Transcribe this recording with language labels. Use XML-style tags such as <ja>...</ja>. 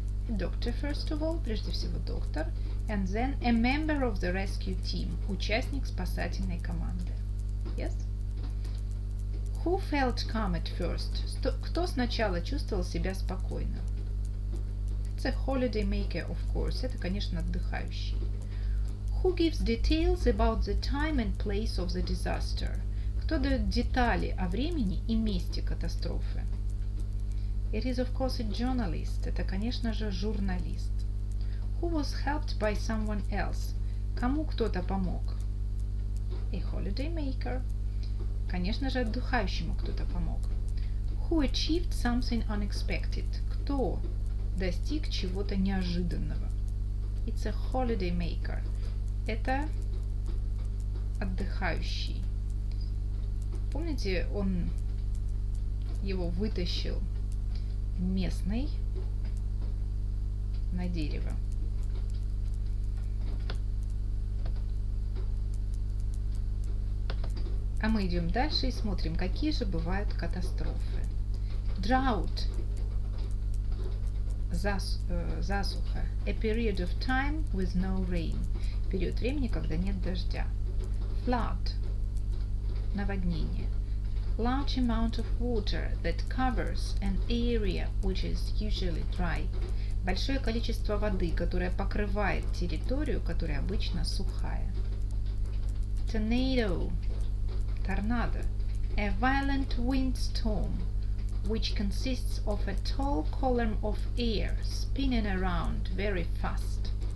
<en>A doctor, first of all,</en> <ru>прежде всего доктор.</ru> <en>And then a member of the rescue team,</en> <ru>участник спасательной команды.</ru> <en>Yes? Who felt calm at first?</en> <ru>Кто сначала чувствовал себя спокойно?</ru> <en>It's a holiday maker, of course.</en> <ru>Это, конечно, отдыхающий.</ru> <en>Who gives details about the time and place of the disaster?</en> <ru>Кто дает детали о времени и месте катастрофы?</ru> <en>It is, of course, a journalist.</en> <ru>Это, конечно же, журналист.</ru> <en>Who was helped by someone else?</en> <ru>Кому кто-то помог?</ru> <en>A holiday maker.</en> <ru>Конечно же, отдыхающему кто-то помог.</ru> <en>Who achieved something unexpected?</en> <ru>Кто достиг чего-то неожиданного?</ru> <en>It's a holiday maker.</en> <ru>Это отдыхающий. Помните, он его вытащил местный на дерево. А мы идем дальше и смотрим, какие же бывают катастрофы.</ru> <en>Drought.</en> <ru>Засуха.</ru> <en>A period of time with no rain.</en> <ru>Период времени, когда нет дождя.</ru> <en>Flood.</en> <ru>Наводнение.</ru> <en>Large amount of water that covers an area which is usually dry.</en> <ru>Большое количество воды, которое покрывает территорию, которая обычно сухая.</ru> <en>Tornado. Торнадо. A violent windstorm, which consists of a tall column of air spinning around very fast.</en>